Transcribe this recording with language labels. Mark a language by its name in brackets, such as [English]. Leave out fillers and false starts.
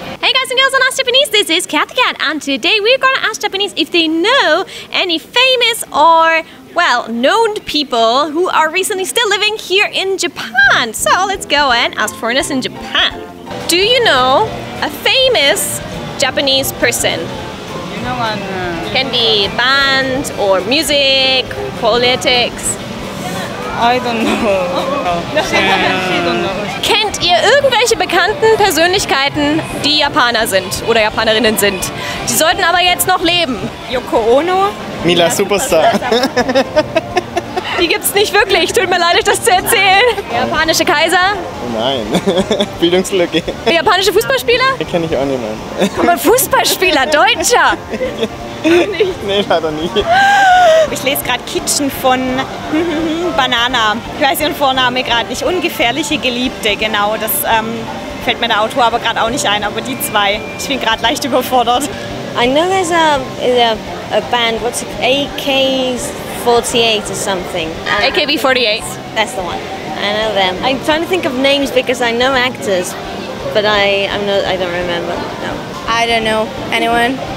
[English] Hey guys, and girls on Ask Japanese, this is CATHY Cat, and today we're gonna ask Japanese if they know any famous or, well, known people who are recently still living here in Japan. So let's go and ask foreigners in Japan. Do you know a famous Japanese person? Can be band or music, politics. I don't know. [German] Kennt ihr irgendwelche bekannten Persönlichkeiten, die Japaner sind oder Japanerinnen sind? Die sollten aber jetzt noch leben. Yoko Ono. Mila Superstar. Die gibt's nicht wirklich. Tut mir leid, euch das zu erzählen. Der japanische Kaiser? Nein. Bildungslücke. Der japanische Fußballspieler? Den kenne ich auch niemanden. Aber Fußballspieler, Deutscher? Nee, leider nicht. Ich lese gerade Kitchen von Banana. Ich weiß ihren Vorname gerade nicht. Ungefährliche Geliebte, genau. Das fällt mir der Autor aber gerade auch nicht ein. Aber die zwei. Ich bin gerade leicht überfordert. [English] I know there's a band, what's it, AK's 48 or something. AKB48. That's the one. I know them. I'm trying to think of names because I know actors, but I don't remember. No. I don't know anyone.